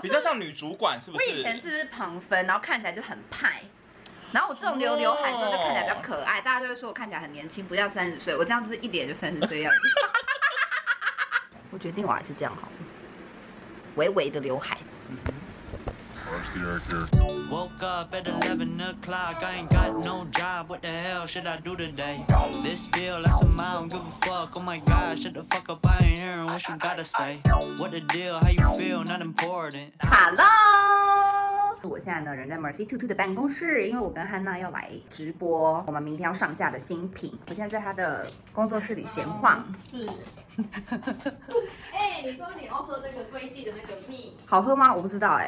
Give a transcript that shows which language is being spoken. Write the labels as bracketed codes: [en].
[zh] 比较像女主管是不是？我以前是旁分，然后看起来就很派。然后我这种留刘海之后就看起来比较可爱，大家就会说我看起来很年轻，不像三十岁。我这样就是一脸就三十岁的样子。我决定我还是这样好了，微微的刘海。 [en] Woke up at 11 o'clock. I ain't got no job. What the hell should I do today? This feel like some mile. I don't give a fuck. Oh my god, shut the fuck up. I ain't hearing what you gotta say. What the deal? How you feel? Not important. Hello. [zh] 我现在呢人在 Mercy Tutu 的办公室，因为我跟汉娜要来直播我们明天要上架的新品。我现在在他的工作室里闲晃。是。哎、欸，你说你要喝那个龟记的那个蜜，好喝吗？我不知道哎、欸。